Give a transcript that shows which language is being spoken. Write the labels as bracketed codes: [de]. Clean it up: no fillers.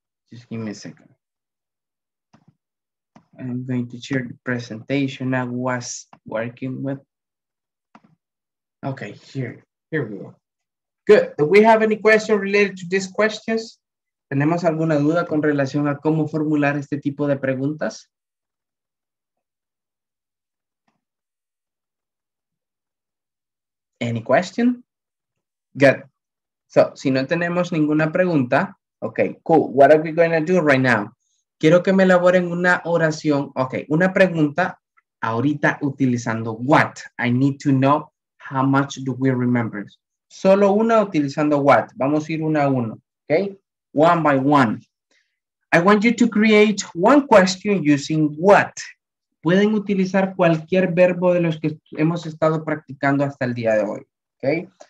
[en] Just give me a second. I'm going to share the presentation I was working with. Okay, here we go. Good, do we have any questions related to these questions? [es] ¿Tenemos alguna duda con relación a cómo formular este tipo de preguntas? [en] Any question? Good. So, [es] si no tenemos ninguna pregunta, [en] okay, cool. What are we going to do right now? [es] Quiero que me elaboren una oración, okay, una pregunta ahorita utilizando what. [en] I need to know how much do we remember. [es] Solo una utilizando what. Vamos a ir una a uno, okay? [en] One by one. I want you to create one question using what. [es] Pueden utilizar cualquier verbo de los que hemos estado practicando hasta el día de hoy, okay?